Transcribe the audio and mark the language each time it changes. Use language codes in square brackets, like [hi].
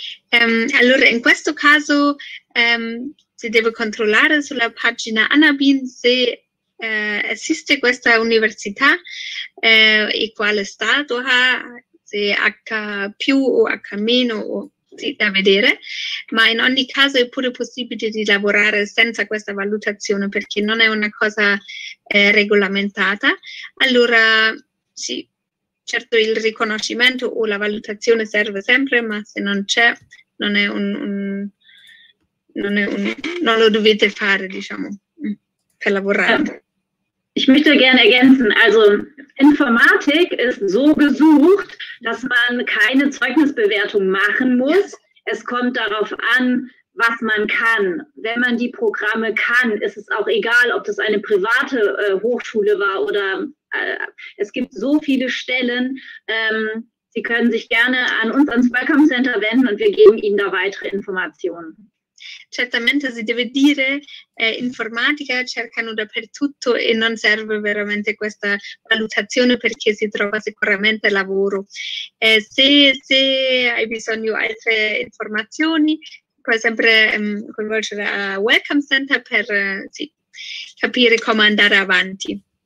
[it] Allora, in questo caso si deve controllare sulla pagina Anabin se esiste questa università e quale stato ha, se H+ o H- o da vedere, ma in ogni caso è pure possibile di lavorare senza questa valutazione perché non è una cosa regolamentata. Allora sì, certo il riconoscimento o la valutazione serve sempre, ma se non c'è non lo dovete fare, diciamo, per lavorare. [de] Ich möchte gerne ergänzen, also Informatik ist so gesucht, dass man keine Zeugnisbewertung machen muss. Es kommt darauf an, was man kann. Wenn man die Programme kann, ist es auch egal, ob das eine private Hochschule war oder es gibt so viele Stellen. Sie können sich gerne an uns, ans Welcome Center wenden und wir geben Ihnen da weitere Informationen. [it] Certamente si deve dire informatica cercano dappertutto e non serve veramente questa valutazione perché si trova sicuramente lavoro. Se hai bisogno di altre informazioni puoi sempre coinvolgere a Welcome Center per capire come andare avanti.